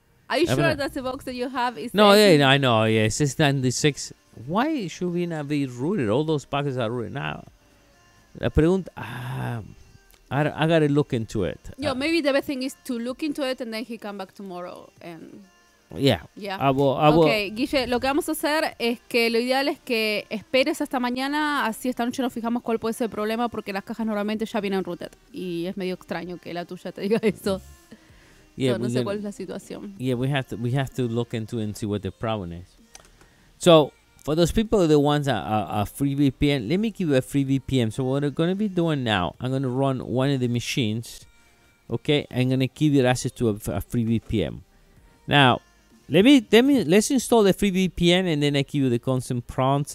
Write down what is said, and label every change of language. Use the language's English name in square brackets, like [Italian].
[English] Are you sure that's the box that you have? I know. Yeah, it says 96. Why should we not be rooted? All those boxes are rooted now. [Spanish] La pregunta, [English] I gotta look into it. Yeah, maybe the best thing is to look into it and then he come back tomorrow and. Yeah. [Spanish] Okay, Guille, lo que vamos a hacer es que lo ideal es que esperes hasta mañana, así esta noche nos fijamos cuál puede ser el problema, porque las cajas normalmente ya vienen rooted y es medio extraño que la tuya te diga eso. [English] Yeah, [Spanish] so, no sé cuál es la situación. [English] Yeah, we have to look into and see what the problem is. So, for those people, the ones that are free VPN, let me give you a free VPN. So what I'm going to be doing now, I'm going to run one of the machines, okay? I'm going to give you access to a free VPN. Now, let's install the free VPN and then I give you the consent prompts.